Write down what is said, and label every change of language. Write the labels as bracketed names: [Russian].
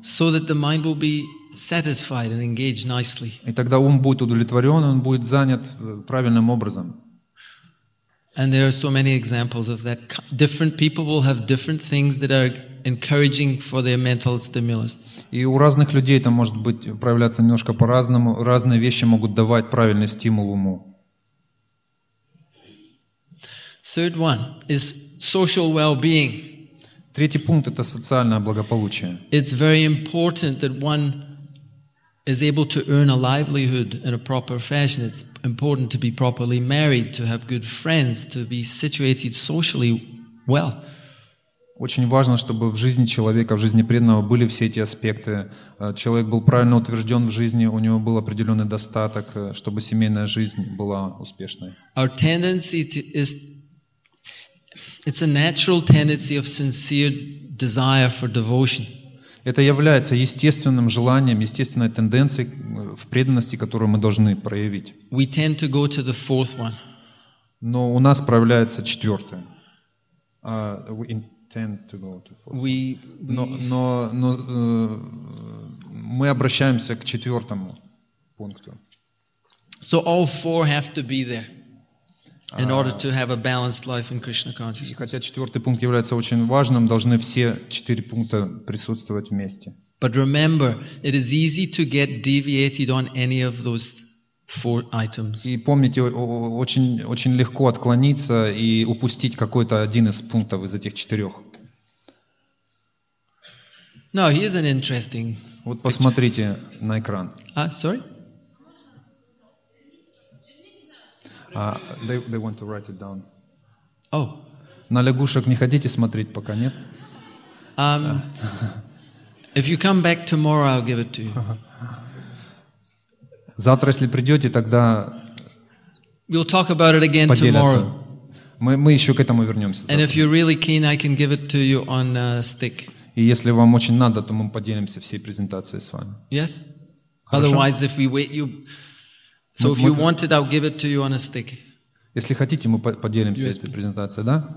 [English] So that the mind will be satisfied and engaged nicely. [Russian] И тогда ум будет удовлетворен, он будет занят правильным образом. [English] And there are so many examples of that. Different people will have different things that are encouraging for their mental stimulus. [Russian] И у разных людей это может быть проявляться немножко по-разному. Разные вещи могут давать правильный стимул уму. [English] Third one is social well-being. [Russian] Третий пункт — это социальное благополучие. [English] It's very important that one is able to earn a livelihood in a proper fashion. It's important to be properly married, to have good friends, to be situated socially well. [Russian] Очень важно, чтобы в жизни человека, в жизни преданного были все эти аспекты. Человек был правильно утвержден в жизни, у него был определенный достаток, чтобы семейная жизнь была успешной. [English] Our tendency is It's a natural tendency of sincere desire for devotion. [Russian] Это является естественным желанием, естественной тенденцией в преданности, которую мы должны проявить. [English] We tend to go to the fourth one. [Russian] Но у нас проявляется четвертое. [English] We intend to go to fourth. [Russian] Но мы обращаемся к четвертому пункту. [English] So all four have to be there. In order to have a balanced life in Krishna consciousness. [Russian] И хотя четвертый пункт является очень важным, должны все четыре пункта присутствовать вместе. [English] But remember, it is easy to get deviated on any of those four items. [Russian] И помните, очень, очень легко отклониться и упустить какой-то один из пунктов из этих четырех. [English] No, here's an interesting. [Russian] Вот посмотрите на экран. [English] Sorry. They want to write it down. Oh. [Russian] На лягушек не хотите смотреть, пока нет? [English] If you come back tomorrow, I'll give it to you. [Russian] Завтра, если придете, тогда. [English] We'll talk about it again tomorrow. [Russian] Мы еще к этому вернемся. [English] And if you're really keen, I can give it to you on a stick. [Russian] И если вам очень надо, то мы поделимся всей презентацией с вами. [English] Yes. [Russian] Хорошо? [English] Otherwise, if we wait, you. So if you want it, I'll give it to you on a stick. [Russian] Если хотите, мы поделимся этой презентацией, да?